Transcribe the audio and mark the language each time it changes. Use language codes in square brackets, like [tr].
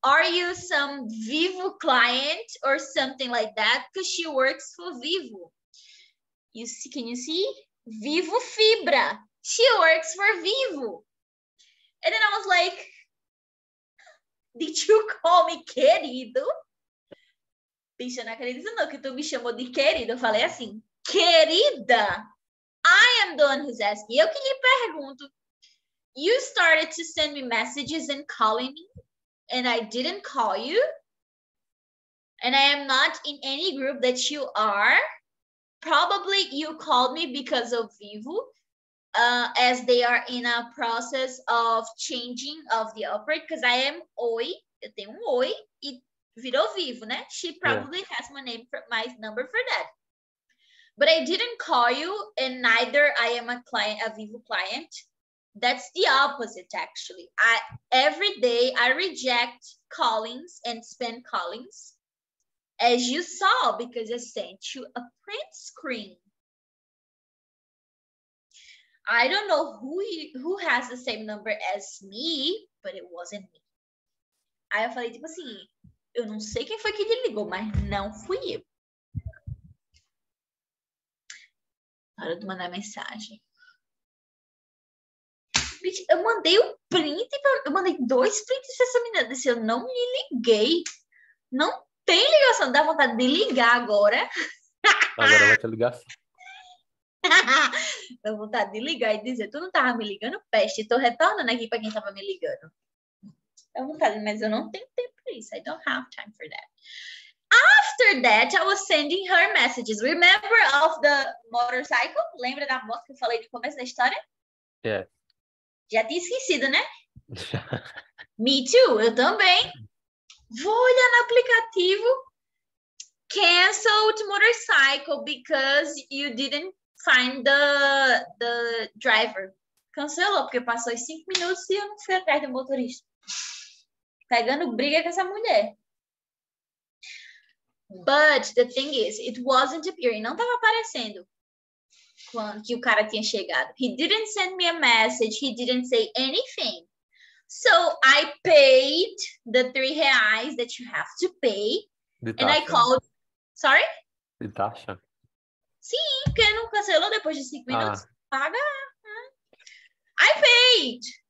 [en] Are you some Vivo client or something like that? Because she works for Vivo. You see, can you see? Vivo Fibra. She works for Vivo. And then I was like, did you call me querido? [pt] Bicha, não acredito não que tu me chamou de querido. Eu falei assim, querida. [en] I am the one who's asking. [pt] Eu que lhe pergunto. [en] You started to send me messages and calling me, and I didn't call you. And I am not in any group that you are. Probably you called me because of Vivo, as they are in a process of changing of the operator, because I am Oi, [pt] eu tenho Oi, e virou Vivo, né? [en] She probably has my name for, my number for that. But I didn't call you, and neither I am a client, a Vivo client. That's the opposite, actually. Every day I reject callings and spam callings, as you saw, because I sent you a print screen. I don't know who has the same number as me, but it wasn't me. [pt] Aí eu falei tipo assim, eu não sei quem foi que te ligou, mas não fui eu. Hora de mandar mensagem. Bitch, eu mandei um print, eu mandei dois prints pra essa menina. Disse, eu não me liguei. Não tem ligação. Dá vontade de ligar agora. Agora vai ter ligação. Dá vontade de ligar e dizer, tu não tava me ligando, peste. Tô retornando aqui pra quem tava me ligando. Dá vontade, mas eu não tenho tempo pra isso. [en] I don't have time for that. After that, I was sending her messages. Remember of the motorcycle? [pt] Lembra da moto que eu falei no começo da história? [en] Yeah. [pt] Já tinha esquecido, né? [en] Me too, [pt] eu também. Vou olhar no aplicativo. [en] Canceled motorcycle because you didn't find the driver. [pt] Cancelou, porque passou os 5 minutos e eu não fui atrás do motorista. Pegando briga com essa mulher. [en] But the thing is, it wasn't appearing. [pt] Não estava aparecendo quando que o cara tinha chegado. [en] He didn't send me a message. He didn't say anything. So I paid the R$3 that you have to pay. And I called. Sorry? [pt] De taxa? Sim, porque não cancelou depois de 5 minutos. Paga. [en] I paid.